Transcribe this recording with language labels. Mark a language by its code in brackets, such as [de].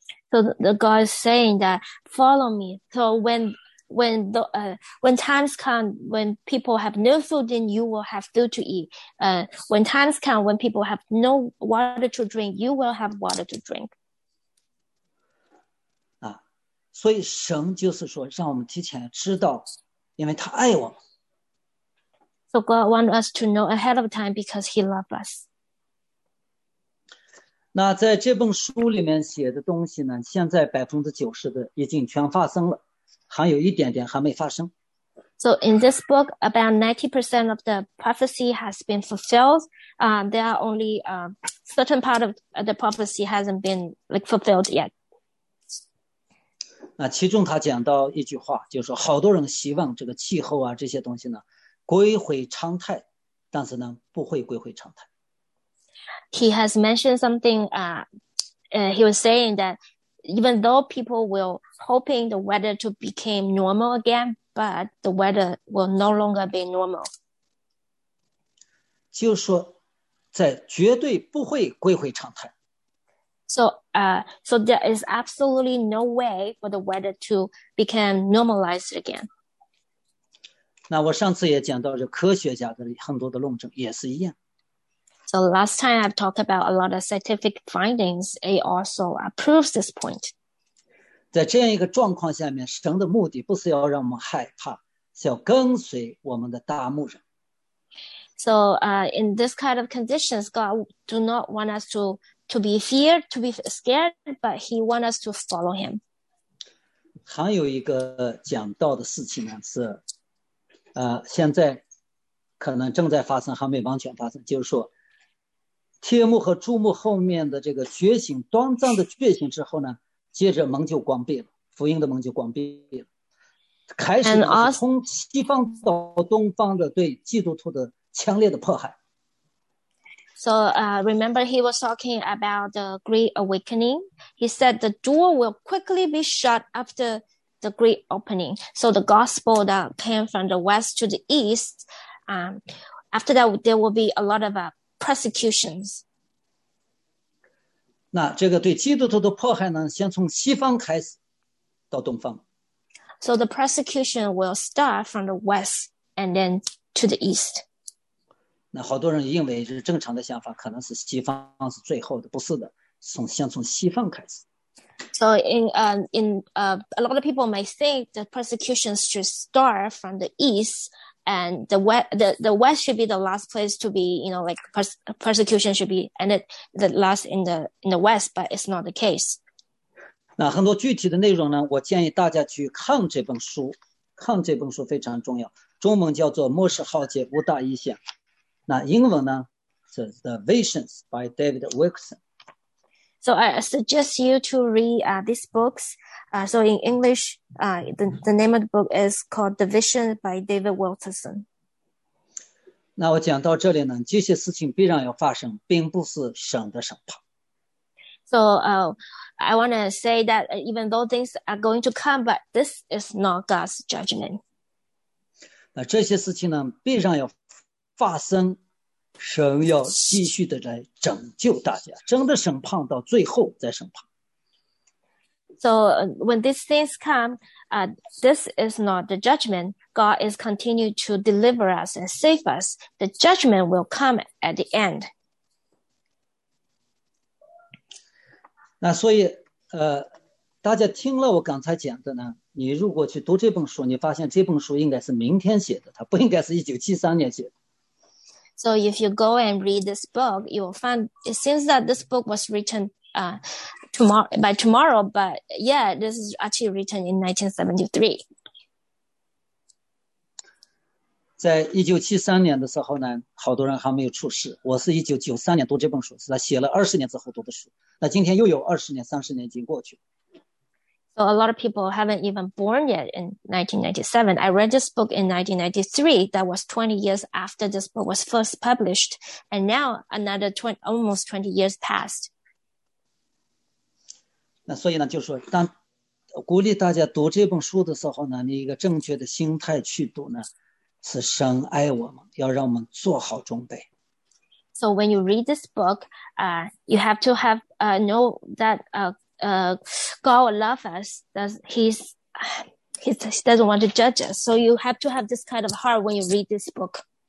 [en] So the God is saying that follow me. So when when times come, when people have no food, then you will have food to eat. When times come, when people have no water to drink, you will have water to drink. [zh] 所以神就是说让我们提前知道，因为他爱我们。 [en] So God wants us to know ahead of time because he loves us. [zh] 那在这本书里面写的东西呢，现在 90% 的已经全发生了，还有一点点还没发生。 [en] So in this book, about 90% of the prophecy has been fulfilled. There are only a certain part of the prophecy hasn't been like fulfilled yet. [zh] 那其中他讲到一句话，就是说好多人希望这个气候啊这些东西呢归回常态，但是呢不会归回常态。 [en] He has mentioned something, he was saying that even though people will hoping the weather to become normal again, but the weather will no longer be normal. [zh] 就说在绝对不会归回常态。 [en] So there is absolutely no way for the weather to become normalized again. [zh] 那我上次也讲到这科学家的很多的论证也是一样。 [en] So last time I've talked about a lot of scientific findings, it also proves this point. [zh] 在这样一个状况下面，神的目的不是要让我们害怕，是要跟随我们的大牧人。 [en] So in this kind of conditions, God do not want us to be feared, to be scared, but he wants us to follow him. [zh] 还有一个讲到的事情呢，是现在可能正在发生，还没完全发生，就是说帖幕和注目后面的这个觉醒，短暂的觉醒之后呢，接着门就关闭了，福音的门就关闭了，开始从西方到东方的对基督徒的强烈的迫害。 [en] So remember he was talking about the Great Awakening. He said the door will quickly be shut after the Great Opening. So the gospel that came from the West to the East, after that there will be a lot of persecutions. [zh] 那这个对基督徒的迫害呢，先从西方开始到东方。 [en] So the persecution will start from the West and then to the East. [zh] 那好多人认为是正常的想法，可能是西方是最后的，不是的，先从西方开始。 [en] So a lot of people may think the persecution should start from the East, and the West should be the last place to be, you know, like persecution should be ended the last in the West, but it's not the case. [zh] 那很多具体的内容呢，我建议大家去看这本书，看这本书非常重要，中文叫做《末世浩劫五大异象》，那英文呢是《The Visions》 by David Wilkerson。 [en] So I suggest you to read these books. So in English, the name of the book is called The Vision by David Wilkerson. [zh] 那我讲到这里呢，这些事情必然要发生，并不是省的省跑。 [en] So I want to say that even though things are going to come, but this is not God's judgment. [zh] 那这些事情呢，必然要发生。神要继续的来拯救大家，真的审判到最后再审判。 [en] So when these things come, this is not the judgment. God is continue to deliver us and save us. The judgment will come at the end. [zh] 那所以，大家听了我刚才讲的呢，你如果去读这本书，你发现这本书应该是明天写的，它不应该是1973年写的。 [en] So if you go and read this book, you will find it seems that this book was written tomorrow, but yeah, this is actually written in 1973. [zh] 在1973年的时候呢，好多人还没有出世。我是1993年读这本书，是他写了20年之后读的书。那今天又有20年、30年已经过去。 [en] So a lot of people haven't even born yet in 1997. I read this book in 1993. That was 20 years after this book was first published. And now another almost 20 years passed. [zh] 那所以呢，就是说，当鼓励大家读这本书的时候呢，你一个正确的心态去读呢，是神爱我们，要让我们做好准备。 [en] So when you read this book, you have to have know that God will love us. That he doesn't want to judge us. So you have to have this kind of heart when you read this book.